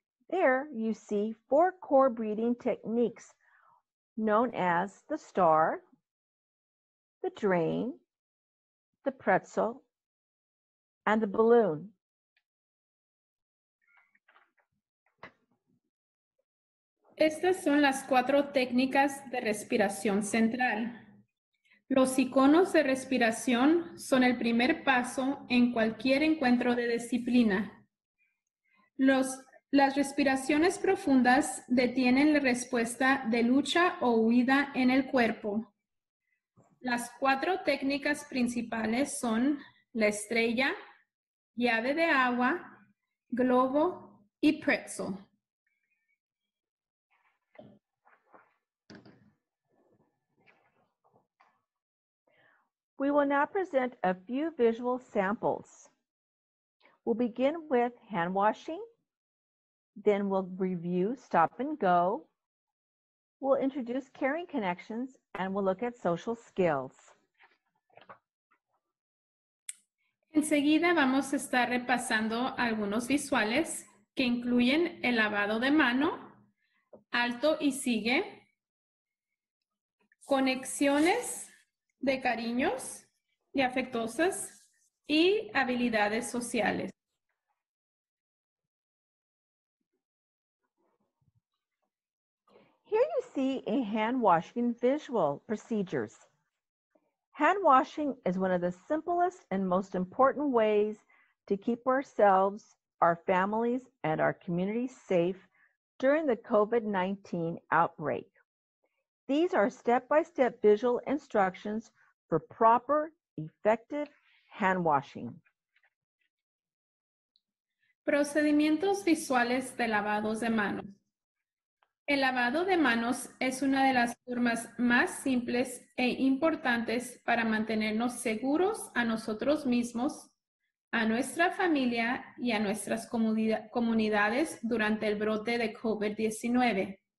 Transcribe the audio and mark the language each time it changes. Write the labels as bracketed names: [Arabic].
[English] There you see four core breathing techniques known as the star, the drain, the pretzel, and the balloon. [Spanish] Estas son las cuatro técnicas de respiración central. Los iconos de respiración son el primer paso en cualquier encuentro de disciplina. Las respiraciones profundas detienen la respuesta de lucha o huida en el cuerpo. Las cuatro técnicas principales son la estrella, llave de agua, globo y pretzel. [English] We will now present a few visual samples. We'll begin with hand washing, then we'll review stop and go, We'll introduce caring connections and we'll look at social skills. [Spanish] Enseguida vamos a estar repasando algunos visuales que incluyen el lavado de mano, alto y sigue, conexiones de cariños y afectuosas y habilidades sociales. [English] Here you see a hand washing visual procedures. Hand washing is one of the simplest and most important ways to keep ourselves, our families, and our communities safe during the COVID-19 outbreak. These are step-by-step visual instructions for proper, effective hand washing. [Spanish] Procedimientos visuales de lavados de manos. El lavado de manos es una de las formas más simples e importantes para mantenernos seguros a nosotros mismos, a nuestra familia y a nuestras comunidades durante el brote de COVID-19.